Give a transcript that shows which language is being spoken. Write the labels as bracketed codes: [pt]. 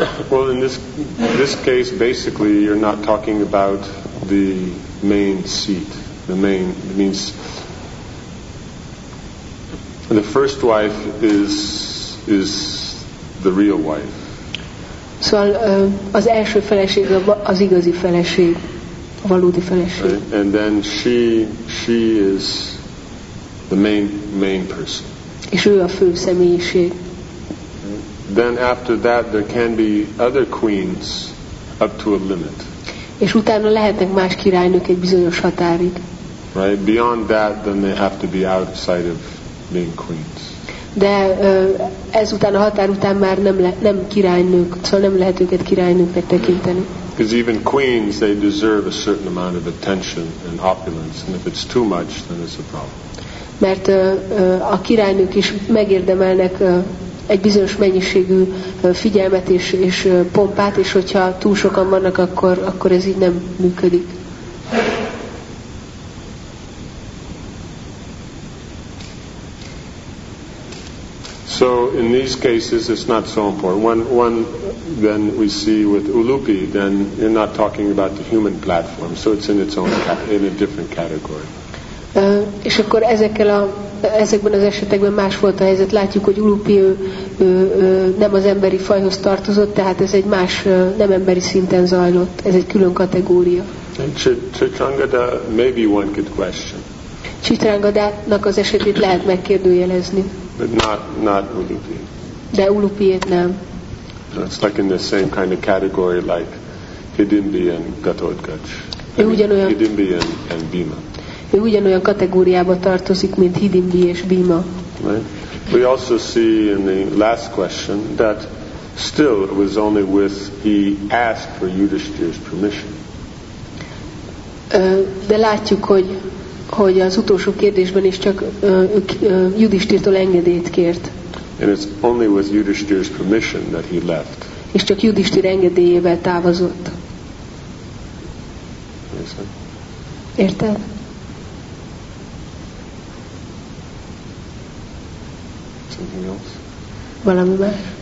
[en] Well, in this case, basically, you're not talking about the main seat. It means the first wife is the real wife. [hu] Szóval az első feleség az igazi feleség, a valódi feleség. [en] Right? And then she is the main person. [hu] És ő a fő személyiség. [en] Then after that there can be other queens up to a limit. [hu] És utána lehetnek más királynők egy bizonyos határig. [en] Right, beyond that then they have to be outside of being queens. [hu] De ezután a határ után már nem királynők, szóval nem lehet őket királynőknek tekinteni. [en] Because even queens, they deserve a certain amount of attention and opulence, and if it's too much then it's a problem. [hu] Mert a királynők is megérdemelnek egy bizonyos mennyiségű figyelmet és pompát, és hogyha túl sokan vannak, akkor ez így nem működik. [en] So in these cases it's not so important. One then we see with Ulupi, then you're not talking about the human platform, so it's in its own in a different category. [hu] És akkor ezekben az esetekben más volt a helyzet. Látjuk, hogy Ulupi nem az emberi fajhoz tartozott, tehát ez egy más, nem emberi szinten zajlott. Ez egy külön kategória. [en] Chitrangada, maybe one could question. [hu] Chitrangadának az esetét lehet megkérdőjelezni. [en] But not Ulupi. [hu] De Ulupiét nem. [en] No, it's like in the same kind of category like Hidimbi and Gatodgacs. Hidimbi and Bhima. [hu] Ő ugyanolyan kategóriába tartozik, mint Hidimbi és Bhima. [en] Right. We also see in the last question that still it was only with he asked for Yudhishthira's permission. [hu] De látjuk, hogy az utolsó kérdésben is csak Yudhishthirtól engedélyt kért. [en] And it's only with Yudhishthira's permission that he left. [hu] És csak Yudhishthira engedélyével távozott. Érted? Valami más?